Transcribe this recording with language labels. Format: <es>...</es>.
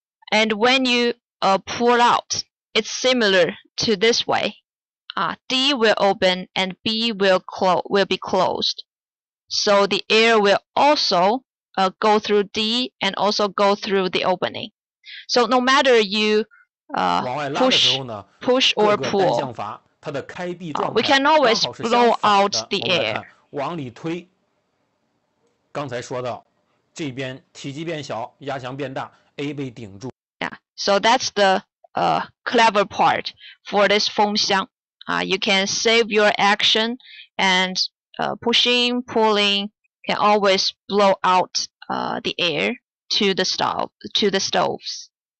<en>，And when you pull out, it's similar to this way. D will open and B will be closed. So the air will also go through D and also go through the opening. So no matter you push or pull,</en> <zh>各个单向阀它的开闭状态</zh> <en>we can always blow out the air.</en> <zh>往里推。刚才说到，这边体积变小，压强变大 ，A 被顶住。</zh> <en>Yeah, so that's the clever part for this foam箱. You can save your action and pushing, pulling can always blow out the air to the stoves.</en>